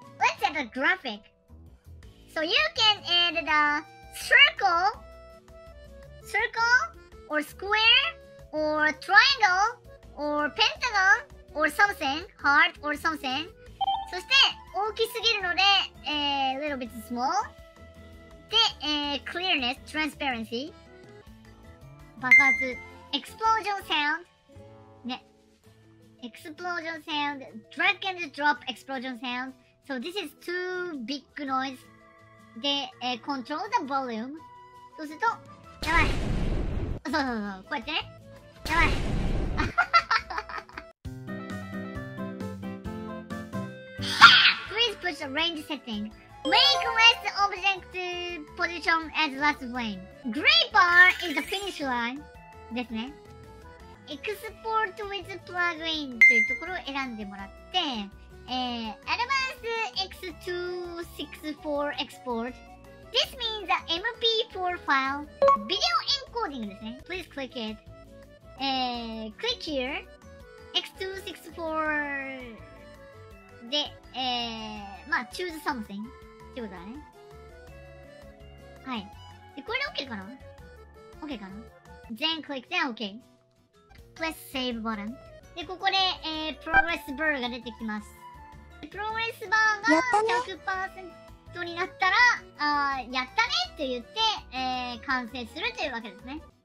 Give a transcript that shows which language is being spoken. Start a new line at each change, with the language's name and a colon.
English: Let's add a graphic. So you can add the circle, or square, or triangle, or pentagon, or something, heart, or something.
Japanese: そして、大きすぎるので、
English: little bit small. で、clearness, transparency. 爆発、explosion sound. ね、explosion sound, drag and drop explosion sound. So this is too big noise. で、control the volume.
Japanese: そうすると、やばい。そう、こうやってね。やばい。
English: Please push the range setting. Make less object position as last frame. Gray bar is the finish line.
Japanese: ですね。
English: Export with plugin
Japanese: というところを選んでもらって、
English: Advanced X264 Export. This means a MP4 file. Video encoding
Japanese: ですね。
English: Please click it. Click here. X264 で、choose something
Japanese: ってことだね。はい。
English: で、
Japanese: これで OK かな
English: ?OK かな ?Then click, then OK. Press save button.
Japanese: で、ここで、プログレスバーが出てきます。プログレスバーが 100% になったら、やったねって言って、完成するというわけですね。